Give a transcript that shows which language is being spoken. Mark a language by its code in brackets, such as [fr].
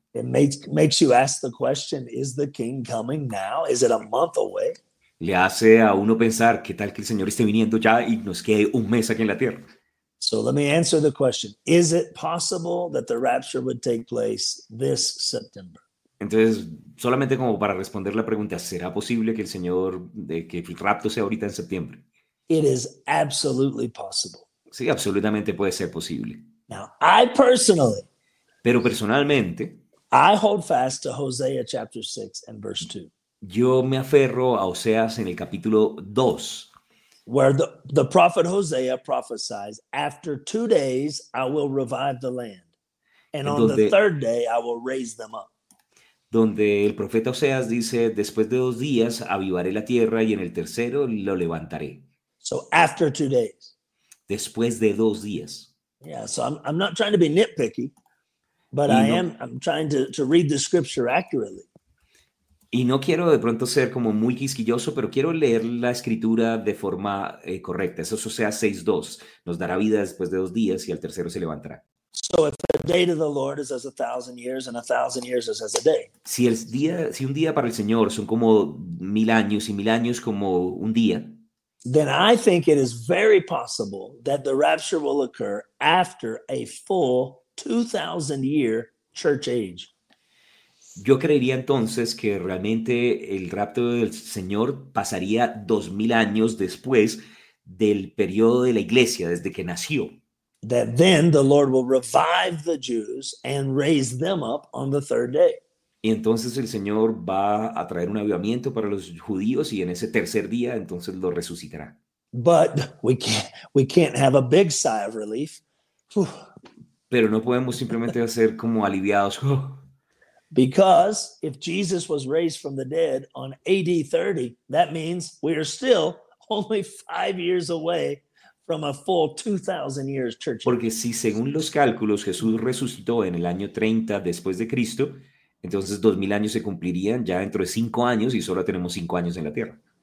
[en] It makes you ask the question, is the king coming now? Is it a month away? [es] Le hace a uno pensar, ¿qué tal que el Señor esté viniendo ya y nos quede un mes aquí en la tierra? [en] So let me answer the question. Is it possible that the rapture would take place this September? [es] Entonces, solamente como para responder la pregunta, ¿será posible que el Señor, que el rapto sea ahorita en septiembre? [en] It is absolutely possible. [es] Sí, absolutamente puede ser posible. [en] Now, I personally, [es] pero personalmente, [en] I hold fast to Hosea chapter 6 and verse 2. [es] Yo me aferro a Oseas en el capítulo 2. [en] Where the prophet Hosea prophesies, after 2 days I will revive the land, and on the third day I will raise them up. [es] Donde el profeta Oseas dice, después de 2 días avivaré la tierra y en el tercero lo levantaré. [en] So after 2 days. [es] Después de 2 días. [en] Yeah, so I'm not trying to be nitpicky, but no, I'm trying to read the scripture accurately. [es] Y no quiero de pronto ser como muy quisquilloso, pero quiero leer la escritura de forma correcta. Eso es Oseas 6:2. Nos dará vida después de 2 días y al tercero se levantará. [en] So if the day to the Lord is as 1,000 years and 1,000 years is as a day. [es] Si un día para el Señor son como 1,000 años y 1,000 años como un día. [en] Then I think it is very possible that the rapture will occur after a full 2,000-year church age. [es] Yo creería entonces que realmente el rapto del Señor pasaría 2,000 años después del periodo de la iglesia, desde que nació. [en] That then the Lord will revive the Jews and raise them up on the third day. [es] Y entonces el Señor va a traer un avivamiento para los judíos y en ese tercer día entonces lo resucitará. [en] But we can't have a big sigh of relief. [es] Pero no podemos simplemente hacer como aliviados. [en] Because if Jesus was raised from the dead on AD 30, that means we are still only 5 years away from a full 2,000 years church. [es] Porque si según los cálculos Jesús resucitó en el año 30 después de Cristo, entonces 2,000 años se cumplirían ya dentro de 5 años y solo tenemos 5 años en la tierra.